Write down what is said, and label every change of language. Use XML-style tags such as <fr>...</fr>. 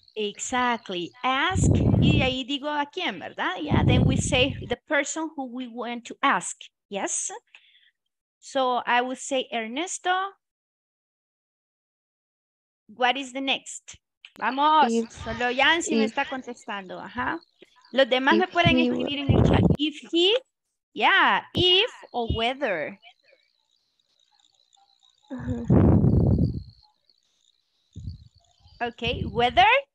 <en>Exactly, ask,</en> <es>y de ahí digo a quién, ¿verdad?</es> <en>Yeah, then we say the person who we want to ask, yes? So I would say Ernesto, what is the next?</en> <es>Vamos, if, solo Jan si if, me está contestando, ajá. Los demás me pueden escribir en el chat.</es> <en>If he, yeah, if or whether. Okay, whether.</en>